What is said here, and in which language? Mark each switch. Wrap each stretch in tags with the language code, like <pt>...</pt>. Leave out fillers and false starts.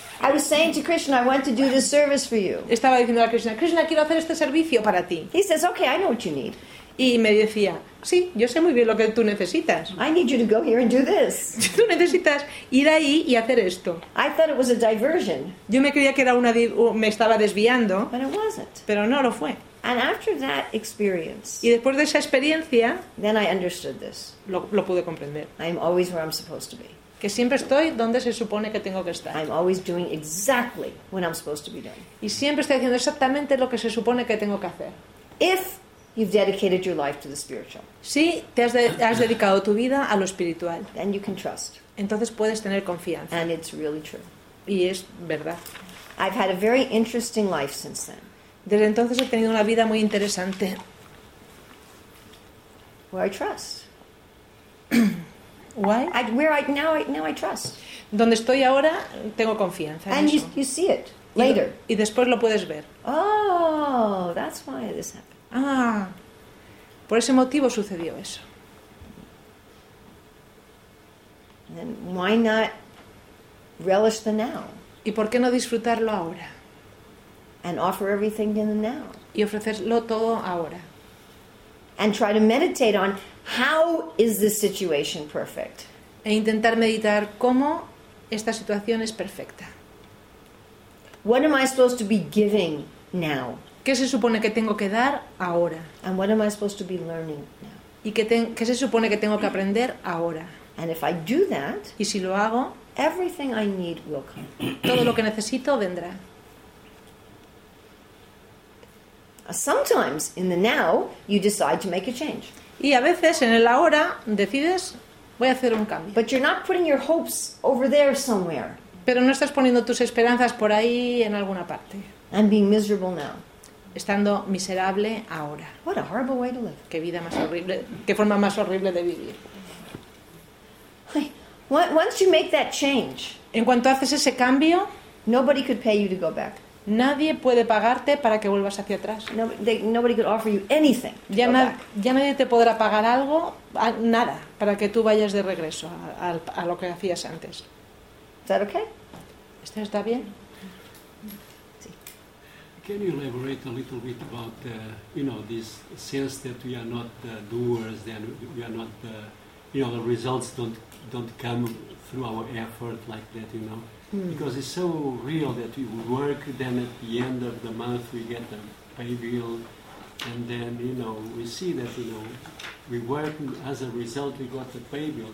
<en>I was saying to Krishna, I want to do this service for you.</en> <es>Estaba diciendo a Krishna, Krishna, quiero hacer este servicio para ti.</es> <en>He says, okay, I know what you need.</en> <es>Y me decía, sí, yo sé muy bien lo que tú necesitas.</es> <en>I need you to go here and do this.</en> <es>Tú necesitas ir ahí y hacer esto.</es> <en>I thought it was a diversion.</en> <es>Yo me creía que era una me estaba desviando.</es> <en>But it wasn't.</en> <es>Pero no lo fue.</es> <en>And after that experience,</en> <es>y después de esa experiencia,</es> <en>then I understood this.</en> <es>Lo pude comprender.</es> <en>I am always where I'm supposed to be.</en> <es>Que siempre estoy donde se supone que tengo que estar.</es> <en>I'm always doing exactly what I'm supposed to be doing.</en> <es>Y siempre estoy haciendo exactamente lo que se supone que tengo que hacer.</es> <en>If you've dedicated your life to the spiritual.</en> <es>Sí, te has dedicado tu vida a lo espiritual.</es> <en>Then you can trust.</en> <es>Entonces puedes tener confianza.</es> <en>And it's really true.</en> <es>Y es verdad.</es> <en>I've had a very interesting life since then.</en> <es>Desde entonces he tenido una vida muy interesante.</es> <en>Where I trust. Why? Now I trust.</en> <es>Donde estoy ahora tengo confianza.</es> <en>And</en> <es>en eso.</es> <en>You see it later.</en> <es>Y después lo puedes ver.</es> <en>Oh, that's why this happened.</en> <es>Ah, por ese motivo sucedió eso.</es> <en>Then why not relish the now?</en> <es>¿Y por qué no disfrutarlo ahora?</es> <en>And offer everything in the now.</en> <es>Y ofrecerlo todo ahora.</es> <en>And try to meditate on how is this situation perfect?</en> <es>E intentar meditar cómo esta situación es perfecta.</es> <en>What am I supposed to be giving now?</en> <es>¿Qué se supone que tengo que dar ahora?</es> <en>And what am I supposed to be learning now?</en> <es>¿Y qué se supone que tengo que aprender ahora?</es> <en>And if I do that,</en> <es>y si lo hago,</es> <en>everything I need will come.</en> <es>Todo lo que necesito vendrá.</es> <en>Sometimes in the now, you decide to make a change.</en> <es>Y a veces en el ahora decides, voy a hacer un cambio.</es> <en>But you're not putting your hopes over there somewhere.</en> <es>Pero no estás poniendo tus esperanzas por ahí en alguna parte.</es> <en>And being miserable now.</en> <es>Estando miserable ahora.</es> <en>What a horrible way to live.</en> <es>Qué vida más horrible, qué forma más horrible de vivir.</es> <en>Once you make that change,</en> <es>en cuanto haces ese cambio,</es> <en>nobody could pay you to go back.</en> <es>Nadie puede pagarte para que vuelvas hacia atrás.</es> <en>Nobody could offer you anything.</en> <es>Ya nadie te podrá pagar algo, nada, para que tú vayas de regreso a lo que hacías antes.</es> <en>Is that okay?</en> <es>¿Esto está bien?</es> <en>Can you elaborate a little bit about this sense that we are not the doers, then we are not the, the results don't come through our effort like that, Because it's so real that we work, then at the end of the month we get the pay bill, and then we see that we work as a result we got the pay bill.</en>